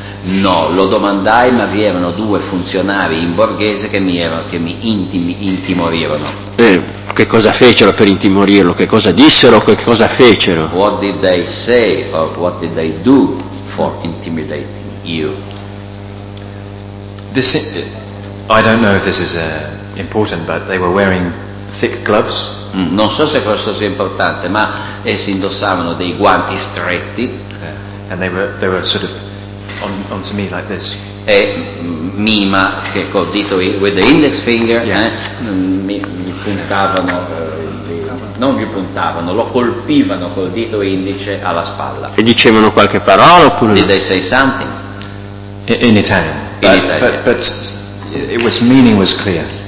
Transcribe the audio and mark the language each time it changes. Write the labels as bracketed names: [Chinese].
[Italian] No, lo domandai, ma vi erano due funzionari in borghese che mi intimorivano. Che cosa fecero per intimorirlo? Che cosa dissero? Che cosa fecero? [English] What did they say or what did they do for intimidating you? This, I don't know if this is important, but they were wearing thick gloves. [Italian] Non so se questo sia importante, ma essi indossavano dei guanti stretti. [English] Yeah. And they were sort of onto me like this. [Italian] E mima che col dito [English] with the index finger, yeah. [Italian] Mi puntavano, non gli puntavano, lo colpivano col dito indice alla spalla. E dicevano qualche parola oppure? [English] Did they say something? In Italian. But it was meaning was clear.